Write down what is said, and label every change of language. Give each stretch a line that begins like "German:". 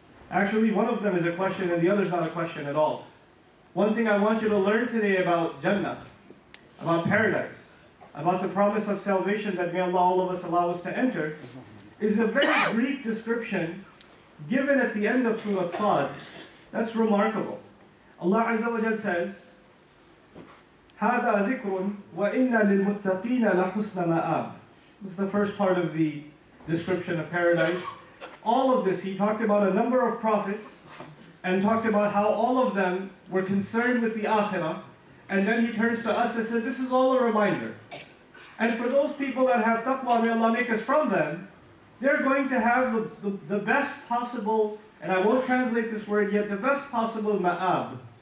English: Actually, one of them is a question and the other is not a question at all. One thing I want you to learn today about Jannah, about paradise, about the promise of salvation that may Allah all of us allow us to enter, is a very brief description given at the end of Surah Sad. That's remarkable. Allah Azza wa Jalla says,
Arabic: هَذَا ذِكْرٌ وَإِنَّا لِلْمُتَّقِينَ لَحُسْنَ مَآبٍ.
English: This is the first part of the description of paradise. All of this, he talked about a number of prophets and talked about how all of them were concerned with the Akhirah. And then he turns to us and said, this is all a reminder. And for those people that have taqwa, may Allah make us from them, they're going to have the best possible, and I won't translate this word yet, the best possible ma'ab.